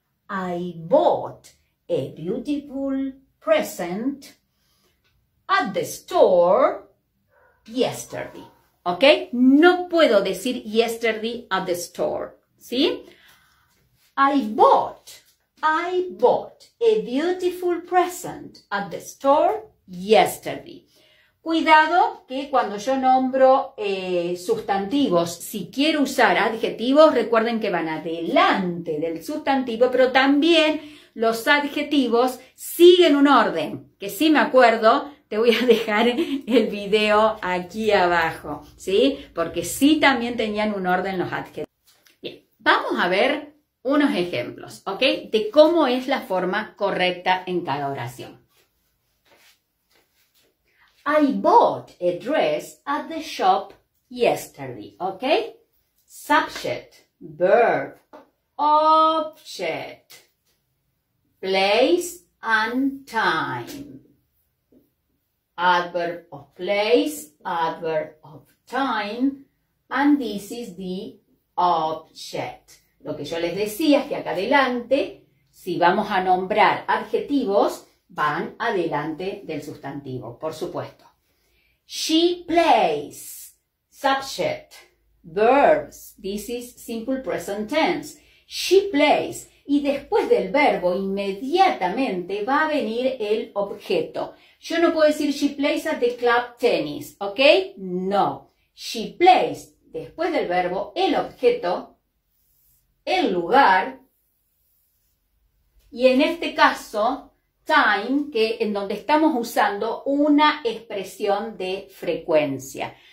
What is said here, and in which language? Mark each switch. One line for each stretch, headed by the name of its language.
English: I bought a beautiful present at the store yesterday, ¿ok?
Spanish: No puedo decir
English: yesterday at the store,
Spanish: ¿sí?
English: I bought a beautiful present at the store yesterday.
Spanish: Cuidado que cuando yo nombro sustantivos, si quiero usar adjetivos, recuerden que van adelante del sustantivo, pero también los adjetivos siguen un orden, que sí me acuerdo. Te voy a dejar el video aquí abajo, ¿sí? Porque sí también tenían un orden los adjetivos. Bien, vamos a ver unos ejemplos, ¿ok? De cómo es la forma correcta en cada oración.
English: I bought a dress at the shop yesterday, ¿ok? Subject, verb, object, place and time. Adverb of place, adverb of time, and this is the object.
Spanish: Lo que yo les decía es que acá adelante, si vamos a nombrar adjetivos, van adelante del sustantivo, por supuesto.
English: She plays, subject, verbs, this is simple present tense. She plays,
Spanish: y después del verbo, inmediatamente va a venir el objeto. Yo no puedo decir
English: she plays at the club tennis,
Spanish: ¿ok? No.
English: She plays,
Spanish: después del verbo, el objeto, el lugar, y en este caso, time, que en donde estamos usando una expresión de frecuencia.